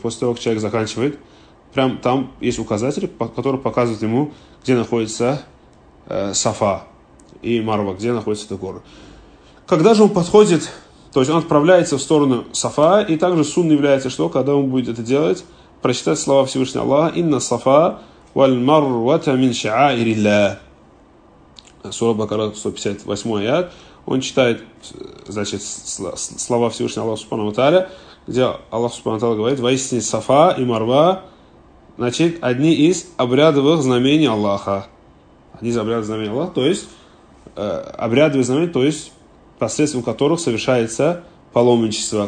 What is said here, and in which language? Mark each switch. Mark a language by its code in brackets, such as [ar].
[ru] После того, как человек заканчивает, прям там есть указатели, которые показывают ему, где находится Сафа и Марва, где находится эта гора. Когда же он подходит, то есть он отправляется в сторону Сафа, и также сунна является, что когда он будет это делать, прочитать слова Всевышнего Аллаха, [ar] «Инна Сафа». وَالْمَرْوَةَ مِنْ شَعَائِرِ اللَّهِ [ru] Сура Бакара, 158 аят. Он читает, значит, слова Всевышнего Аллаха Субхану Таля, где Аллах Субхану Таля говорит, «Воистине Сафа и Марва, значит, одни из обрядовых знамений Аллаха». Одни из обрядовых знамений Аллаха, то есть обрядовые знамения, то есть посредством которых совершается паломничество.